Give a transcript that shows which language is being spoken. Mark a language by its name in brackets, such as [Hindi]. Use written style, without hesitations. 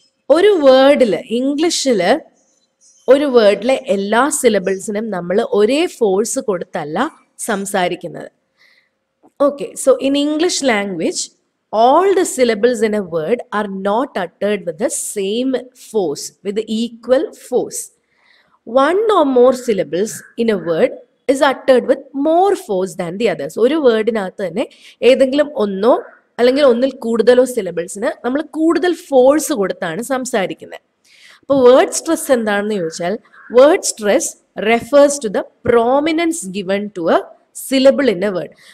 [Malayalam] ഒരു വേർഡിൽ, ഇംഗ്ലീഷിൽ ഒരു വേർഡിലെ എല്ലാ സിലബിൾസിനും നമ്മൾ ഒരേ ഫോഴ്സ് കൊടുത്തല്ല സംസാരിക്കുന്നത്. Okay. [English] So in English language all the syllables in a word are not uttered with the same force, with equal force. One or more syllables in a word is uttered with more force than the others. [Malayalam] ഒരു വേർഡിനകത്ത് തന്നെ ഏതെങ്കിലും ഒന്നോ അല്ലെങ്കിൽ ഒന്നിൽ കൂടുതലോ സിലബിൾസിന് നമ്മൾ കൂടുതൽ force കൊടുത്താണ് സംസാരിക്കുന്നത്. അപ്പോൾ വേർഡ് സ്ട്രെസ് എന്താണെന്ന് ചോദിച്ചാൽ, [English] Word stress refers to the prominence given to a syllable in a word.